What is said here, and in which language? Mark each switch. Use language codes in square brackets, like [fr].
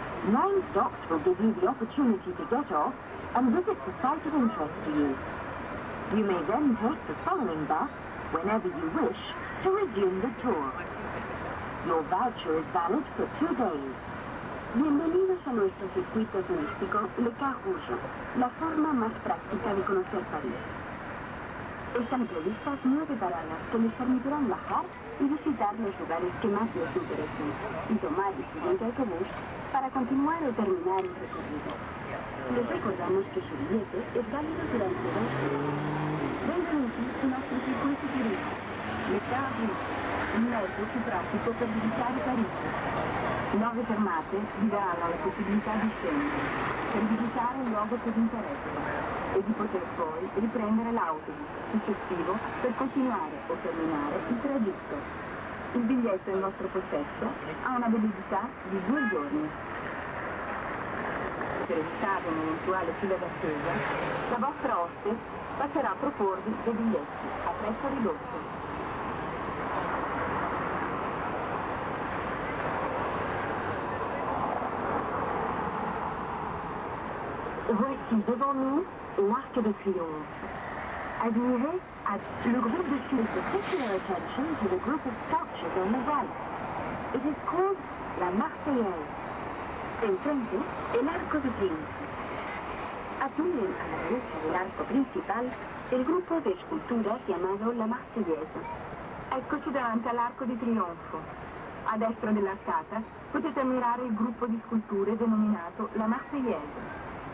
[en] 9 stops will give you the opportunity to get off and visit the site of interest to you. You may then take the following bus, whenever you wish, to resume the tour. Your voucher is valid for 2 days. [es] Bienvenidos a nuestro circuito turístico Le Car Rouge, la forma más práctica de conocer París. Están previstas 9 paradas que les permitirán bajar y visitar los lugares que más les interesen y tomar el siguiente autobús para continuar o terminar el recorrido. Les recordamos que su billete es válido durante 2 horas. Ven con nosotros a nuestro circuito turístico Le Car Rouge, un autobús práctico para visitar París. [it] 9 fermate vi darà la possibilità di scendere, per visitare il luogo che vi interessa e di poter poi riprendere l'autobus successivo per continuare o terminare il tragitto. Il biglietto in vostro possesso ha una validità di 2 giorni. Per evitare un'eventuale fila d'attesa, la vostra hostess passerà a proporvi dei biglietti a prezzo ridotto. [fr] Voici devant nous l'Arc de Triomphe. Admirez à le groupe de sculptures. [en] Particular attention to the group of sculptures on the right. It is called la Marseillaise. [es] Enfrente, el Arco de Triomphe. Admiren a la derecha del arco principal el grupo de esculturas llamado la Marseillaise. [it] Eccoci davanti all'Arco di Trionfo. A destra dell'arcata potete ammirare il gruppo di sculture denominato la Marseillaise.